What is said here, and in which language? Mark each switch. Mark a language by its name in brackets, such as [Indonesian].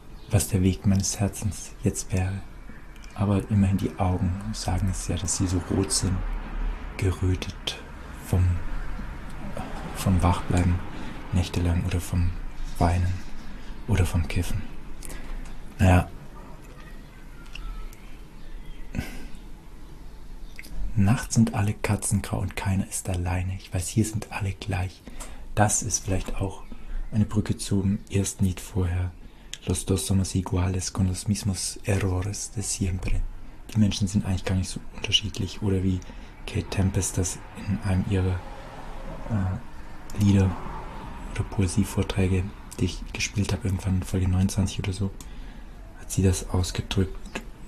[German] Was der Weg meines Herzens jetzt wäre. Aber immerhin die Augen sagen es ja, dass sie so rot sind, gerötet vom Wachbleiben nächtelang oder vom Weinen oder vom Kiffen. Naja, nachts sind alle Katzen grau und keiner ist alleine. Ich weiß, hier sind alle gleich. Das ist vielleicht auch eine Brücke zum ersten Lied vorher. [Spanish] Los dos somos iguales con los mismos errores de siempre. [German] Die Menschen sind eigentlich gar nicht so unterschiedlich. Oder wie Kate Tempest das in einem ihrer Lieder oder Poesievorträge, die ich gespielt habe, irgendwann in Folge 29 oder so, hat sie das ausgedrückt.